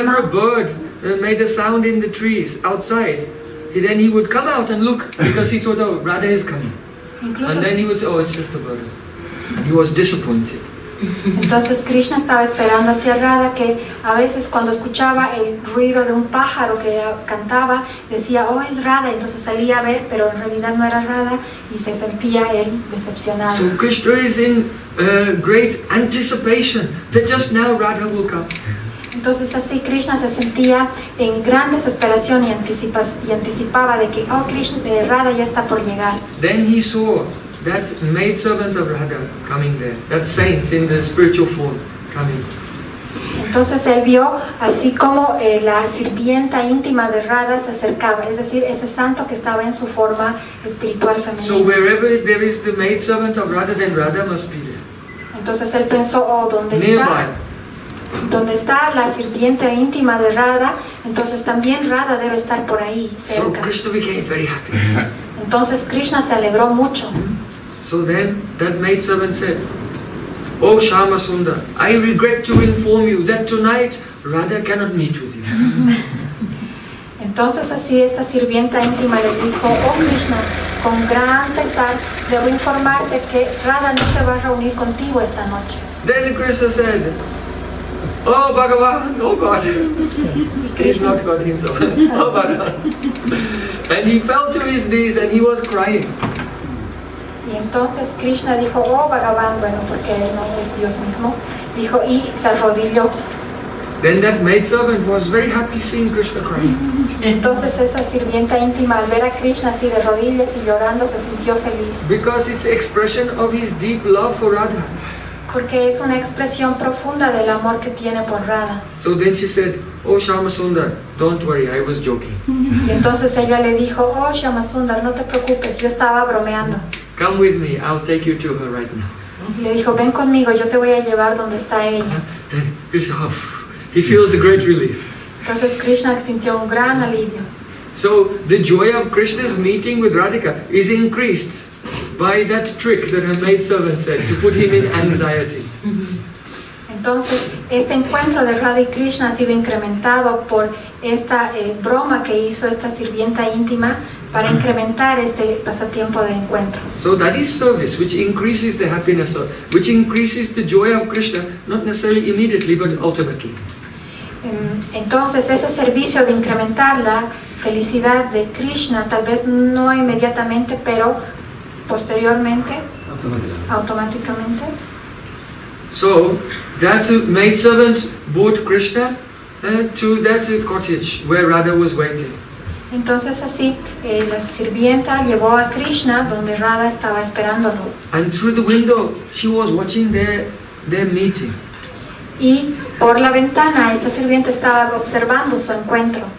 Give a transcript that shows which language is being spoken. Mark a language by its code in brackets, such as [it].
[en] Whenever a bird made a sound in the trees outside, then he would come out and look because he thought, "Oh, Radha is coming." [es] Incluso [en] and then he was, "Oh, it's just a bird." And he was disappointed. [es] Entonces Krishna estaba esperando hacia Radha, que a veces cuando escuchaba el ruido de un pájaro que cantaba decía, "Oh, es Radha." Entonces salía a ver, pero en realidad no era Radha y se sentía él decepcionado. [en] So Krishna is in great anticipation that just now Radha will come. [es] Entonces así Krishna se sentía en gran desesperación y anticipaba de que, "Oh, Krishna, Radha ya está por llegar." [en] Then he saw that maid servant of Radha coming there, that saint in the spiritual form coming. [es] Entonces él vio así como la sirvienta íntima de Radha se acercaba, es decir, ese santo que estaba en su forma espiritual femenina. [en] So wherever there is the maid servant of Radha, then Radha must be there. [es] Entonces él pensó, "Oh, ¿dónde [en] nearby [es] está? Donde está la sirvienta íntima de Radha, entonces también Radha debe estar por ahí, cerca." [en] So Krishna became very happy. [es] Entonces Krishna se alegró mucho. [en] So then that maid servant said, "Oh Shama Sunda, I regret to inform you that tonight Radha cannot meet with you." [es] Entonces así esta sirvienta íntima le dijo, "Oh Krishna, con gran pesar debo informarte que Radha no se va a reunir contigo esta noche." [en] Then Krishna said, "Oh Bhagavan, oh God, he's not God himself. Oh Bhagavan." And he fell to his knees and he was crying. [es] Y entonces Krishna dijo, "Oh Bhagavan," bueno, porque él no es Dios mismo, dijo, y se arrodilló. [en] Then that maid servant was very happy seeing Krishna crying. [es] Entonces esa sirvienta íntima al ver a Krishna así de rodillas y llorando se sintió feliz. [en] Because it's expression of his deep love for Radha. [es] Porque es una expresión profunda del amor que tiene por Radha. [en] So then she said, "Oh Shama Sundar, don't worry, I was joking." [es] Y entonces ella le dijo, "Oh Shama Sundar, no te preocupes, yo estaba bromeando." [en] "Come with me, I'll take you to her right now." [es] Le dijo, "Ven conmigo, yo te voy a llevar donde está ella." [en] Then Krishna, he feels a great relief. [es] Entonces Krishna sintió un gran alivio. [en] So the joy of Krishna's meeting with Radhika is increased by that trick that her maid servant said to put him in anxiety. [es] Entonces, este encuentro de Radha y Krishna ha sido incrementado por esta broma que hizo esta sirvienta íntima para incrementar este pasatiempo de encuentro. [en] So that is service, which increases the happiness of, which increases the joy of Krishna, not necessarily immediately, but ultimately. [es] Entonces, ese servicio de incrementar la felicidad de Krishna, tal vez no inmediatamente, pero posteriormente, automáticamente. [en] So that maid servant brought Krishna to that cottage where Radha was waiting. [es] Entonces así la sirvienta llevó a Krishna donde Radha estaba esperándolo. [en] And through the window she was watching their meeting. [es] Y por la ventana esta sirvienta estaba observando su encuentro.